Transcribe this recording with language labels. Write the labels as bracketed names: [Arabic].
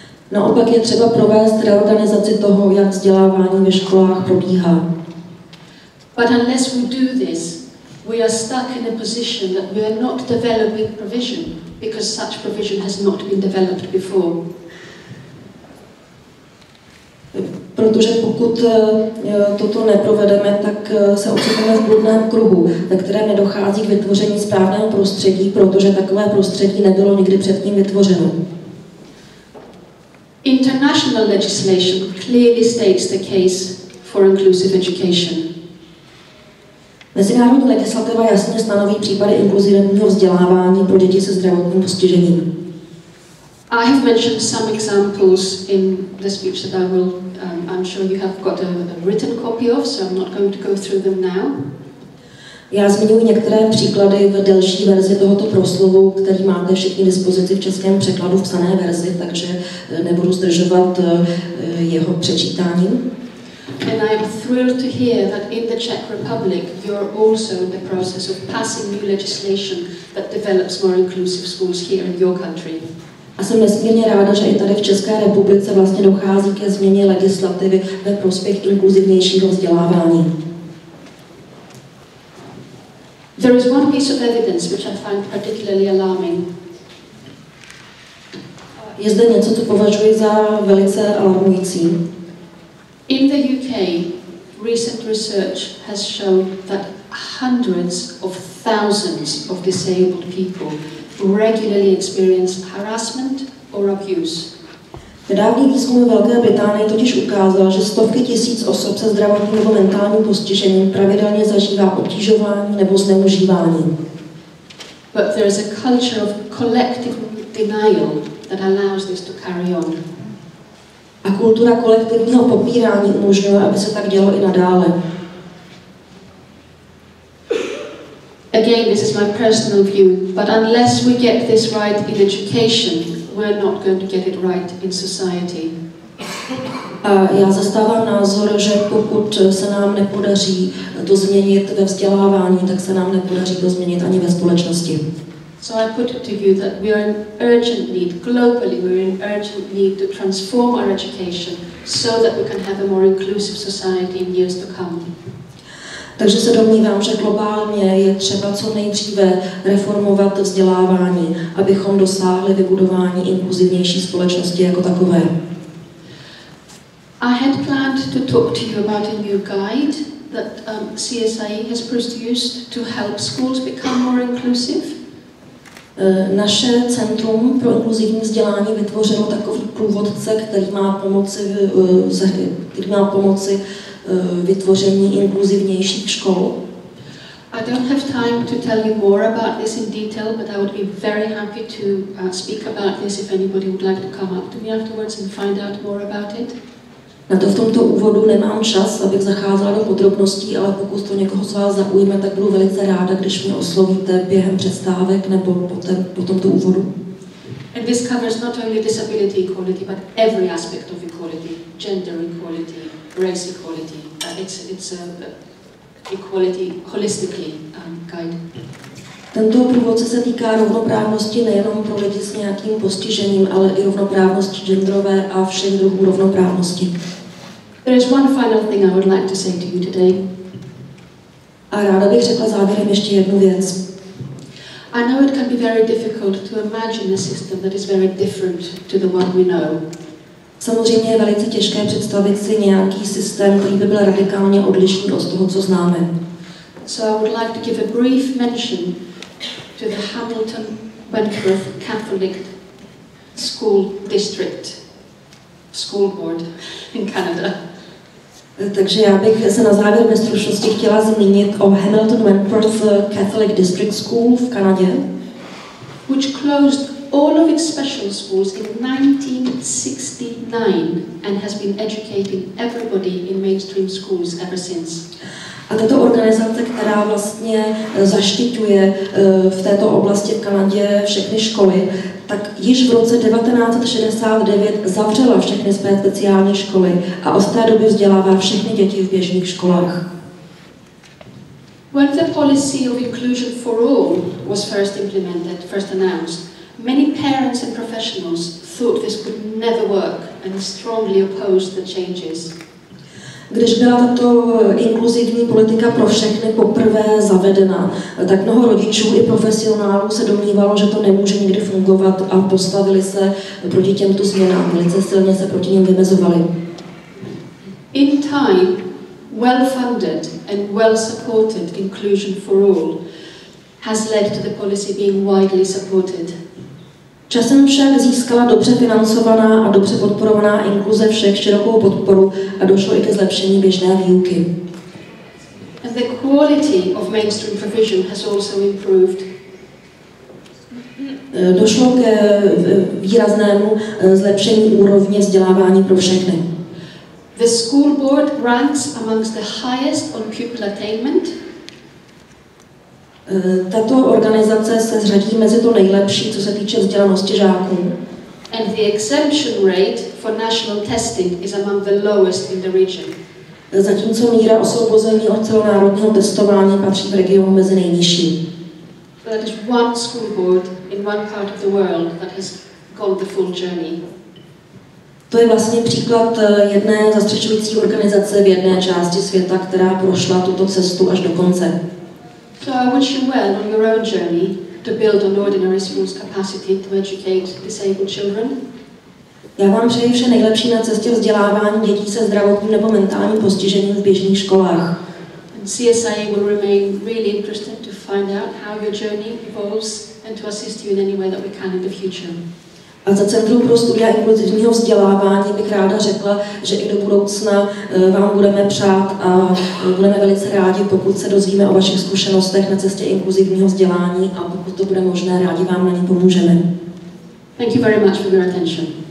[Czech] Naopak je třeba provést reorganizaci toho, jak vzdělávání ve školách probíhá. [English] But unless we do this, we are stuck in a position that we are not developing provision because such provision has not been developed before. [Czech] Protože pokud toto neprovedeme, tak se ocitneme v bludném kruhu, ve kterém nedochází k vytvoření správného prostředí, protože takové prostředí nebylo nikdy předtím vytvořeno. [English] International legislation clearly states the case for inclusive education. [Czech] Mezinárodní legislativa jasně stanoví případy inkluzivního vzdělávání pro děti se zdravotním postižením. [English] I have mentioned some examples in the speech that I will, I'm sure you have got a written copy of, so I'm not going to go through them now. [Czech] Já zmiňuji některé příklady v delší verzi tohoto proslovu, který máte všichni dispozici v českém překladu v psané verzi, takže nebudu zdržovat jeho přečítáním. [English] And I am thrilled to hear that in the Czech Republic you're also in the process of passing new legislation that develops more inclusive schools here in your country. [Czech] A jsem nesmírně ráda, že i tady v České republice vlastně dochází ke změně legislativy ve prospěch inkluzivnějšího vzdělávání. [English] There is one piece of evidence which I find particularly alarming. [Czech] Je zde něco, co považuji za velice alarmující. [English] In the UK, recent research has shown that hundreds of thousands of disabled people regularly experience harassment or abuse. [Czech] Nedávný výzkum ve Velké Británii totiž ukázal, že stovky tisíc osob se zdravotním nebo mentálním postižením pravidelně zažívá obtěžování nebo zneužívání. [English] But there is a culture of collective denial that allows this to carry on. [Czech] A kultura kolektivního popírání umožňuje, aby se tak dělo i nadále. [English] Again, this is my personal view, but unless we get this right in education, we're not going to get it right in society. [Czech] Já zastávám názor, že pokud se nám nepodaří to změnit ve vzdělávání, tak se nám nepodaří to změnit ani ve společnosti. [English] So I put it to you that we are in urgent need, globally we are in urgent need to transform our education so that we can have a more inclusive society in years to come. [Czech] Takže se domnívám, že globálně je třeba co nejdříve reformovat vzdělávání, abychom dosáhli vybudování inkluzivnější společnosti jako takové. [English] I had planned to talk to you about a new guide that CSIE has produced to help schools become more inclusive. [Czech] Naše Centrum pro inkluzivní vzdělání vytvořilo takový průvodce, který má pomoci vytvoření inkluzivnějších škol. [English] I don't have time to tell you more about this in detail, but I would be very happy to speak about this if anybody would like to come up to me afterwards and find out more about it. [Czech] Na to v tomto úvodu nemám čas, abych zacházela do podrobností, ale pokud to někoho z vás zaujme, tak budu velice ráda, když mě oslovíte během přestávek nebo po tomto úvodu. [English] And this covers not only disability equality, but every aspect of equality, gender equality, race equality. It's equality holistically guide. [Czech] Tento průvodce se týká rovnoprávnosti nejenom pro lidi s nějakým postižením, ale i rovnoprávnosti genderové a všech druhů rovnoprávnosti. [English] There is one final thing I would like to say to you today. [Czech] A ráda bych řekla závěrem ještě jednu věc. [English] I know it can be very difficult to imagine a system that is very different to the one we know. [Czech] Samozřejmě je velice těžké představit si nějaký systém, který by byl radikálně odlišný od toho, co známe. [English] So I would like to give a brief mention to the Hamilton Wentworth Catholic School District School Board in Canada. [Czech] Takže já bych se na závěr ve stručnosti chtěla zmínit o Hamilton Wentworth Catholic District School v Kanadě, [English] which closed all of its special schools in 1969 and has been educating everybody in mainstream schools ever since. [Czech] A tato organizace, která vlastně zaštiťuje v této oblasti v Kanadě všechny školy, tak již v roce 1969 zavřela všechny své speciální školy a od té doby vzdělává všechny děti v běžných školách. [English] When the policy of inclusion for all was first implemented, first announced, many parents and professionals thought this could never work and strongly opposed the changes. [Czech] Když byla tato inkluzivní politika pro všechny poprvé zavedena, tak mnoho rodičů i profesionálů se domnívalo, že to nemůže nikdy fungovat a postavili se proti těmto změnám, velice silně se proti nim vymezovali. [English] In time, well-funded and well-supported inclusion for all has led to the policy being widely supported. [Czech] Časem však získala dobře financovaná a dobře podporovaná inkluze všech širokou podporu a došlo i ke zlepšení běžné výuky. [English] And the quality of mainstream provision has also improved. [Czech] Došlo ke výraznému zlepšení úrovně vzdělávání pro všechny. [English] The school board ranks amongst the highest on pupil attainment. [Czech] Tato organizace se řadí mezi to nejlepší, co se týče vzdělanosti žáků. [English] And the exemption rate for national testing is among the lowest in the region. [Czech] Zatímco míra osvobození od celonárodního testování patří v regionu mezi nejnižší. [English] That is one school board in one part of the world that has gone the full journey. [Czech] To je vlastně příklad jedné zastřešující organizace v jedné části světa, která prošla tuto cestu až do konce. [English] So I wish you well on your own journey to build an ordinary school's capacity to educate disabled children. [Czech] Já vám přeji vše nejlepší na cestě vzdělávání dětí se zdravotním nebo mentálním postižením v běžných školách. [English] And CSIA will remain really interested to find out how your journey evolves and to assist you in any way that we can in the future. [Czech] A za Centrum pro studia inkluzivního vzdělávání bych ráda řekla, že i do budoucna vám budeme přát a budeme velice rádi, pokud se dozvíme o vašich zkušenostech na cestě inkluzivního vzdělání a pokud to bude možné, rádi vám na ně pomůžeme. [English] Thank you very much for your attention.